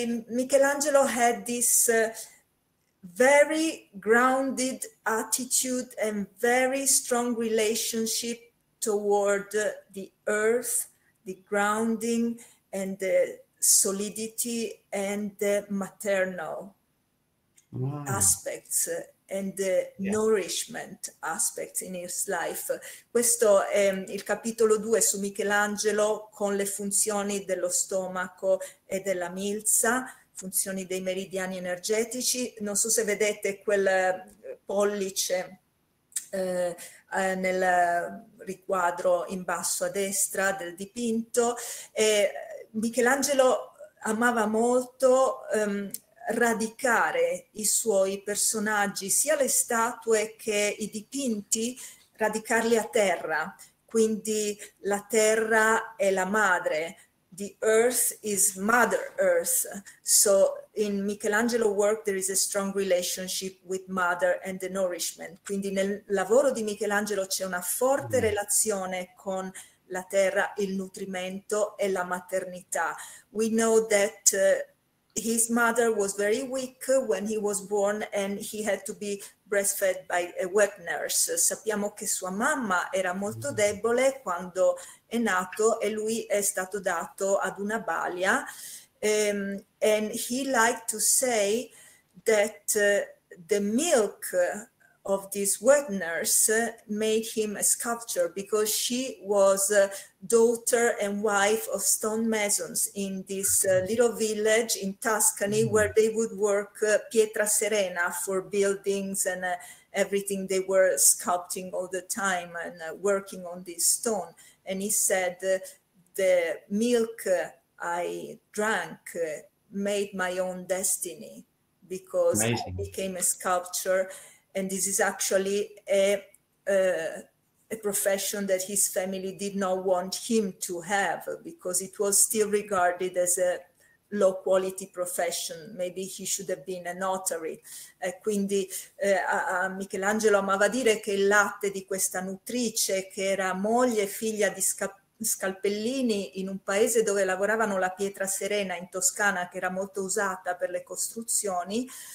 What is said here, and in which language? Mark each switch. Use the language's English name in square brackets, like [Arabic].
[English] Michelangelo had this very grounded attitude and very strong relationship toward the earth, the grounding and the solidity and the maternal aspects and the nourishment aspects in his life. [Italian] Questo è il capitolo 2 su Michelangelo con le funzioni dello stomaco e della milza, funzioni dei meridiani energetici. Non so se vedete quel pollice nel riquadro in basso a destra del dipinto. Michelangelo amava molto radicare i suoi personaggi, sia le statue che i dipinti, radicarli a terra. Quindi la terra è la madre. [English] The earth is Mother Earth. So in Michelangelo's work there is a strong relationship with mother and the nourishment. [Italian] Quindi nel lavoro di Michelangelo c'è una forte relazione con la terra, il nutrimento e la maternità. [English] We know that his mother was very weak when he was born and he had to be breastfed by a wet nurse. [Italian] Sappiamo che sua mamma era molto debole quando è nato e lui è stato dato ad una balia. [English] And he liked to say that the milk of this wet nurse made him a sculpture because she was a daughter and wife of stonemasons in this little village in Tuscany where they would work pietra serena for buildings and everything. They were sculpting all the time and working on this stone. And he said, the milk I drank made my own destiny because I became a sculptor. And this is actually a profession that his family did not want him to have because it was still regarded as a low quality profession. Maybe he should have been a notary. [Italian] Quindi Michelangelo amava dire che il latte di questa nutrice, che era moglie e figlia di scalpellini in un paese dove lavoravano la pietra serena in Toscana, che era molto usata per le costruzioni,